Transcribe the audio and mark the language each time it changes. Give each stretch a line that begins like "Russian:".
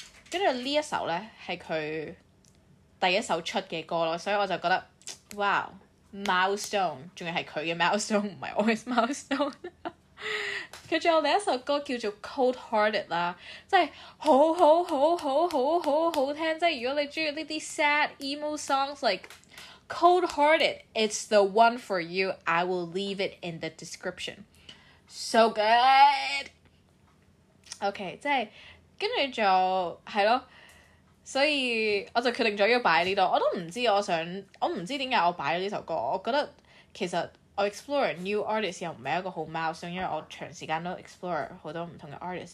Cantonese: 跟住呢一首咧係佢第一首出嘅歌咯，所以我就覺得
English: wow milestone，
Cantonese: 仲要係佢嘅 milestone， 唔係我嘅 milestone。 OK，佢仲有另一首歌叫做 Cold Hearted 啦，即係好好好好好好好聽。即係如果你中意呢啲
English: sad emo songs like Cold Hearted, it's the one for you. I will leave it in the description. So good.
Cantonese: Okay, 即係跟住就係咯。所以我就決定咗要擺喺呢度，我都唔知我想，我唔知點解我擺咗呢首歌。我覺得其實我
English: explore new artist
Cantonese: 又唔係一個好milestone，因為我長時間都 explore 好多唔同嘅 artist。